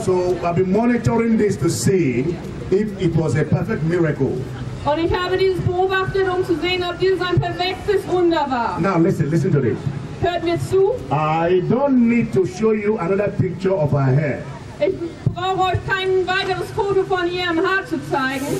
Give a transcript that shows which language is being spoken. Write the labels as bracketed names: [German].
[English] So I've been monitoring this to see if it was a perfect miracle. [German] Und ich habe dieses beobachtet, um zu sehen, ob dieses ein perfektes Wunder war. [English] Now listen to this. [German] Hört mir zu. [English] I don't need to show you another picture of her hair. [German] Ich brauche euch kein weiteres Foto von ihrem Haar zu zeigen.